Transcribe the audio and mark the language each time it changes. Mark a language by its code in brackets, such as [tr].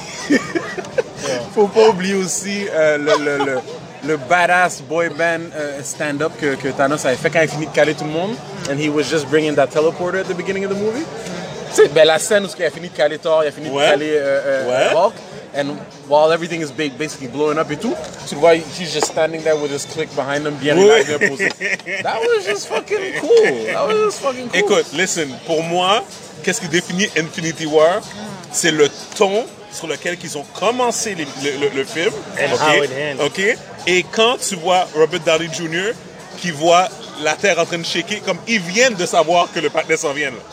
[fr] Il ne faut pas oublier aussi le badass boy band stand-up que Thanos avait fait quand il finit de caler tout le monde. [en] And he was just bringing that teleporter at the beginning of the movie. Mm. [fr] C'est ben, la scène où il a fini de caler Thor, il a fini de caler Hulk. [en] And while everything is basically blowing up [fr] et tout, tu vois, [en] he's just standing there with his click behind him, bien [fr] regardé. [en] That was just fucking cool. That was just fucking cool. [fr] Écoute, listen, pour moi, qu'est-ce qui définit Infinity War? C'est le ton sur lequel ils ont commencé le film. [en] And okay? How it ends. [fr] Okay? Et quand tu vois Robert Downey Jr. qui voit la Terre en train de shaker, comme il vient de savoir que le partner s'en vient.